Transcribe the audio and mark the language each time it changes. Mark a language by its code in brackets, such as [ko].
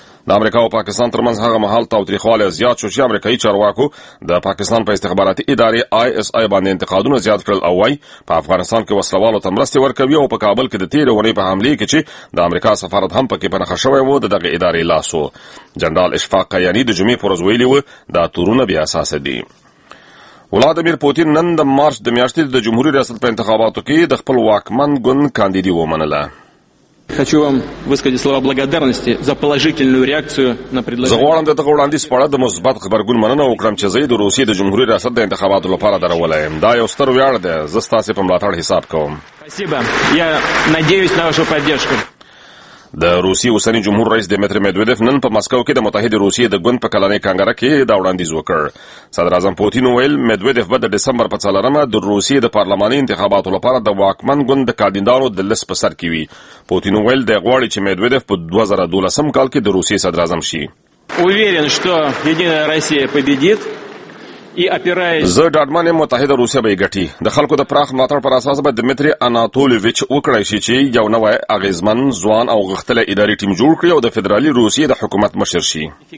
[ps] د امریکا او پاکستان ترمنځ هغه مهال تاوتریخوالی زیات شو چې امریکایي چارواکو د پاکستان په استخباراتي ادارې ISI باندې انتقادونه زیات کړل او وایي په افغانستان کې وسلوالو ته مرستې ورکوي او په کابل کې د تېرې اونۍ په حملې کې چې د امریکا سفارت هم پکې په نښه شوی و د دغې ادارې لاس و. جنرال اشفاق قیاني د جمعې په ورځ ویلي و دا تورونه بې اساسه دي. ولادیمیر پوتین نن د مارچ د میاشتې د جمهوري ریاست په انتخاباتو کې د خپل واکمن ګوند کاندیدي ومنله. [ru] хочу вам высказать слова благодарности за положительную реакцию на предложение. [ps] زغورنده ته وړاندې سپاره د مثبت خبرګون مننه وکړم چې زید روسي د جمهوریت ریاست د انتخاباتو لپاره درولایم. دا یو ستر ویاړ دی. زه ستاسو په ملاتړ حساب کوم. [ru] спасибо. я надеюсь на вашу поддержку. [ps] د روسي اوسنی جمهور رئیس دیمتری مدودف نن په مسکو کې د متحده روسیې د ګوند په کلنۍ کانګره کې دا وړاندیز وکړ. صدر اعظم پوتین وویل مدودف به د دسمبر په څلورمه د روسیې د پارلماني انتخاباتو لپاره د واکمن ګوند د کاندیدانو د لیست په سر کې وي. پوتین وویل دی غواړي چې مدودف په 2012 کال کې د روسیې صدر اعظم شي. [ru] уверен что единая россия победит. [ps] زه ډاډمن یم متحده روسیه به یې ګټي. د خلکو د پراخ ملاتړ پر اساس به دمیتری اناتولویچ وکړی شي چې یو نوی اغیزمن ځوان او غښتلی اداري ټیم جوړ کړي او د فدرالي روسیې د حکومت مشر شي.